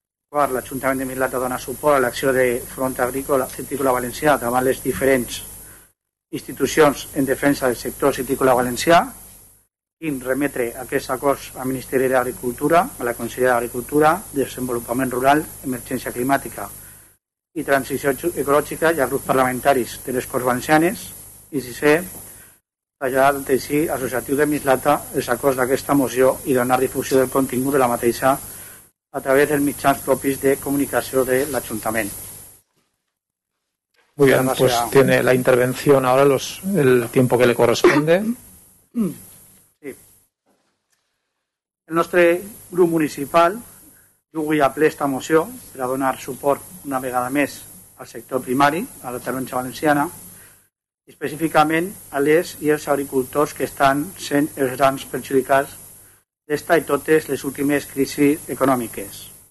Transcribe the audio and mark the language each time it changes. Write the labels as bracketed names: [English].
[Catalan] Quart, l'Ajuntament de Mislata dona suport a l'acció de Front Agrícola Cítricola Valencià davant les diferents institucions en defensa del sector cítricola valencià i remetre aquests acords al Ministeri d'Agricultura, a la Conselleria d'Agricultura, Desenvolupament Rural, Emergència Climàtica i Transició Ecològica i a grups parlamentaris de les Corts Valencianes i, si sé, traslladar de sí associatiu de Mislata els acords d'aquesta moció i donar difusió del contingut de la mateixa a través dels mitjans propis de comunicació de l'Ajuntament. [Spanish] Muy bien, pues tiene la intervención ahora el tiempo que le corresponde. Sí. [Catalan] El nostre grup municipal dugui a ple esta moció per a donar suport una vegada més al sector primari, a la taronja valenciana, específicament a les i els agricultors que estan sent els grans perjudicats d'esta i totes les últimes crisis econòmiques.